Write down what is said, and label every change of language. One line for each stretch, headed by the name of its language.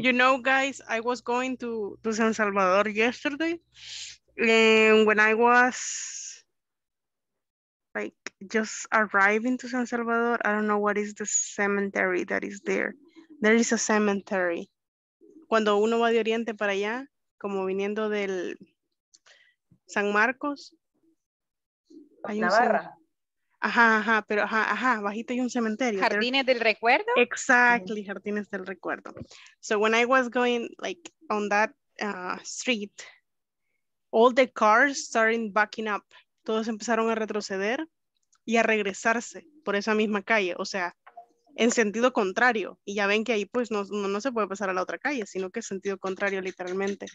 English: You know, guys, I was going to San Salvador yesterday, and when I was like just arriving to San Salvador, I don't know what is the cemetery that is there. There is a cemetery.
Spanish: Cuando uno va de Oriente para allá, como viniendo del San Marcos, hay un Navarra. Ajá, bajito hay un cementerio. Jardines del Recuerdo.
English: Exactly, Jardines del Recuerdo. So when I was going like on that street, all the cars started backing up.
Spanish: Todos empezaron a retroceder y a regresarse por esa misma calle. O sea, en sentido contrario. Y ya ven que ahí pues no se puede pasar a la otra calle, sino que es sentido contrario literalmente.